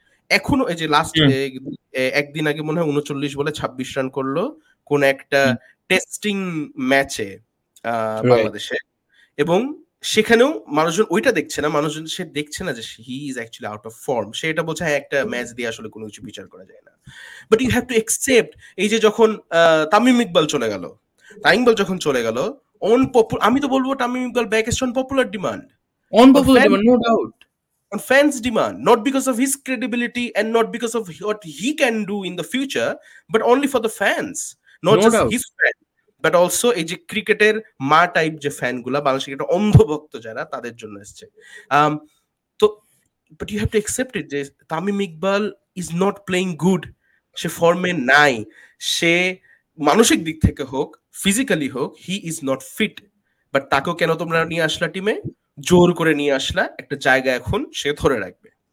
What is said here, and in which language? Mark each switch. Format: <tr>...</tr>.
<bn>এখনো এই যে লাস্ট একদিন আগে মনে হয় 39 বলে 26 রান করলো কোন একটা টেস্টিং ম্যাচে বাংলাদেশে, এবং সেখানেও মানুষজন ওইটা দেখছে না, মানুষজন সে দেখছে না যে</bn> <en>he is actually out of form,</en> <bn>সে এটা বোঝা হয় একটা ম্যাচ দিয়ে আসলে কোনো কিছু বিচার করা যায় না।</bn> <en>but you have to accept,</en> <bn>এই যে যখন তামিম ইকবাল চলে গেল, তামিম ইকবাল যখন চলে গেল, আমি তো বলবো Tamim Iqbal</bn> <en>Back is on popular demand, on popular demand no doubt, on fans' demand, not because of his credibility and not because of what he can do in the future, but only for the fans, not no just doubt. His fans. But also</en> <bn>এই যে ক্রিকেটের মা type যে fan গুলো বাংলাদেশের একটা অন্ধভক্ত যারা তাদের জন্য এসছে তো</bn> <en>but you have to accept it</en> <bn>যে Tamim Iqbal</bn> <en>is not playing good</en> <bn>সে ফর্মে নাই সে মানসিক দিক থেকে হোক ফিজিক্যালি হোক</bn> <en>he is not fit but</en> <bn>তাকেও কেন তোমরা নিয়ে আসলা টিমে জোর করে নিয়ে আসলা একটা জায়গা এখন সে ধরে রাখবে</bn>